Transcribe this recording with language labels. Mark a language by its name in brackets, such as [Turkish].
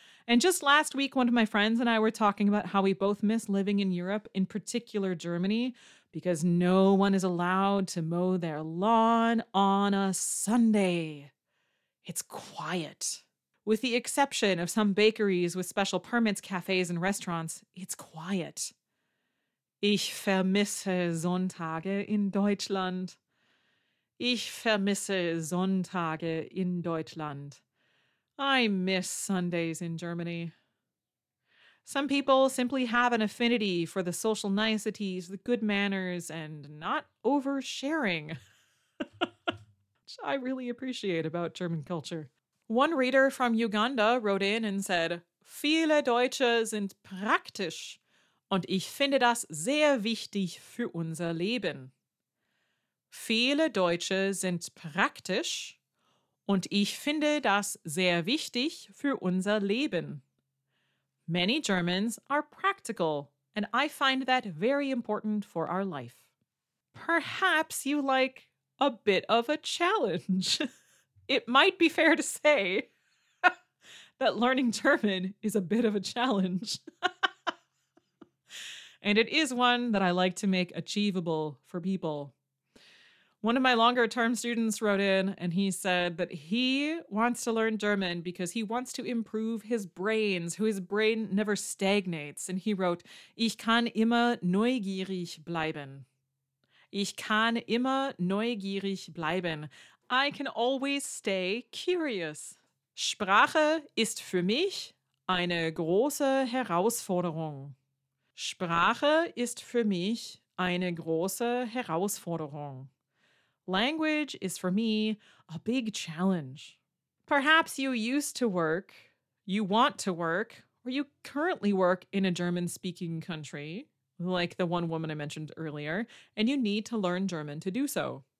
[English] And just last week, one of my friends and I were talking about how we both miss living in Europe, in particular Germany, because no one is allowed to mow their lawn on a Sunday. It's quiet. With the exception of some bakeries with special permits, cafes, and restaurants, it's quiet. [German] Ich vermisse Sonntage in Deutschland. Ich vermisse Sonntage in Deutschland. [English] I miss Sundays in Germany. Some people simply have an affinity for the social niceties, the good manners, and not oversharing. Which I really appreciate about German culture. One reader from Uganda wrote in and said, [German] Viele Deutsche sind praktisch und ich finde das sehr wichtig für unser Leben. Viele Deutsche sind praktisch und ich finde das sehr wichtig für unser Leben. [English] Many Germans are practical and I find that very important for our life. Perhaps you like a bit of a challenge. It might be fair to say that learning German is a bit of a challenge. And it is one that I like to make achievable for people. One of my longer-term students wrote in and he said that he wants to learn German because he wants to improve his brain, so his brain never stagnates. And he wrote, [German] Ich kann immer neugierig bleiben. Ich kann immer neugierig bleiben. [English] I can always stay curious. [German] Sprache ist für mich eine große Herausforderung. Sprache ist für mich eine große Herausforderung. [English] Language is for me a big challenge. Perhaps you used to work, you want to work, or you currently work in a German-speaking country, like the one woman I mentioned earlier, and you need to learn German to do so.